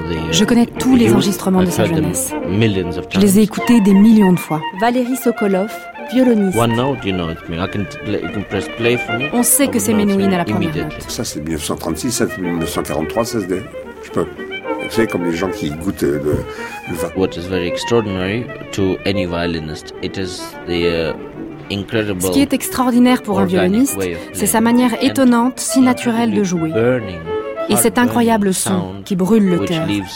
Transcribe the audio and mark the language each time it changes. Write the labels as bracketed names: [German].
[French] Je connais tous les enregistrements de sa jeunesse. Je les ai écoutés des millions de fois. Valérie Sokolov, violoniste. On sait que c'est Menuhin à la première note. Ça, c'est 1936, ça, c'est 1943, ça, c'est... Je peux... Vous savez, comme les gens qui goûtent le vin. [English] What is very extraordinary to any violinist, it is the... [French] Ce qui est extraordinaire pour un violoniste, c'est sa manière étonnante, si naturelle de jouer. Et cet incroyable son qui brûle le cœur.